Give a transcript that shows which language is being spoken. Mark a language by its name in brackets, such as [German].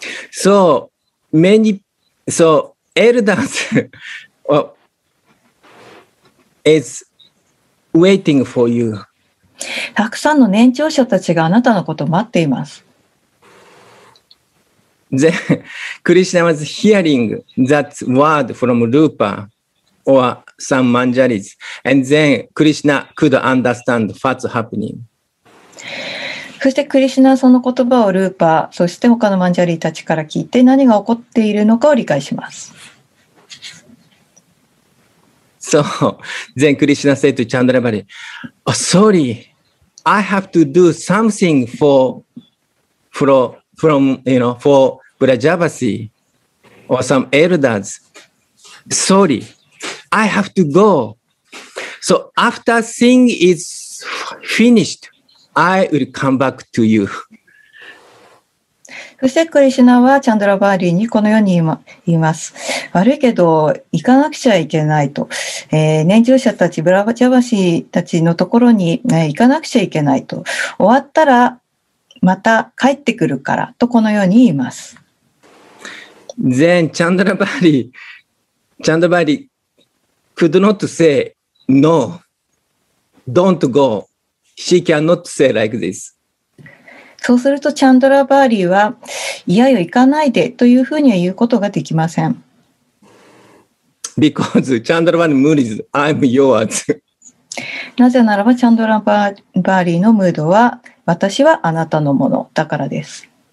[English] So many, so elders is waiting for you. [Japanese] たくさんの年長者たちがあなたのことを待っています。 [English] Then Krishna was hearing that word from Rupa or some Manjaris, and then Krishna could understand what's happening. [Japanese] そしてクリシュナはその言葉をルーパー、そして他のマンジャリーたちから聞いて何が起こっているのかを理解します。 [English] So, then Krishna said to Chandrabali, oh, sorry, I have to do something for Vrajavasi or some elders. Sorry, I have to go. So after thing is finished,I will come back to you. [Japanese] そしてクリシュナはチャンドラバーリーにこのように言います。悪いけど行かなくちゃいけないと。年長者たち、ブラバジャバシーたちのところに、行かなくちゃいけないと。終わったらまた帰ってくるからとこのように言います。 [English] Then Chandrabali could not say no, don't go. She cannot say like this. [Japanese] そうするとチャンドラバーリーはいやよ行かないでというふうには言うことができません。 [English] Because Chandrabali's mood is I'm yours. [Japanese] なぜならばチャンドラバーリーのムードは私はあなたのものだからです。